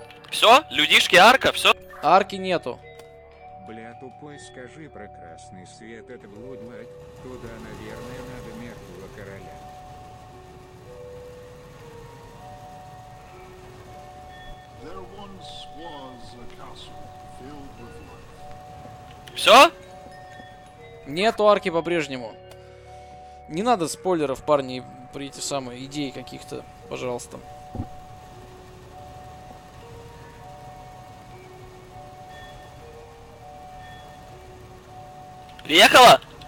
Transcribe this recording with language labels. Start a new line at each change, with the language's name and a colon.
Russian: Все? Людишки, арка, все? Арки нету. Бля, тупой, скажи про красный свет, это блудмать. Туда, наверное, надо мертвого короля.
English: There once was a castle filled with life.
Russian: Все? Нету арки по-прежнему. Не надо спойлеров, парни, при эти самые идеи каких-то, пожалуйста. Приехала?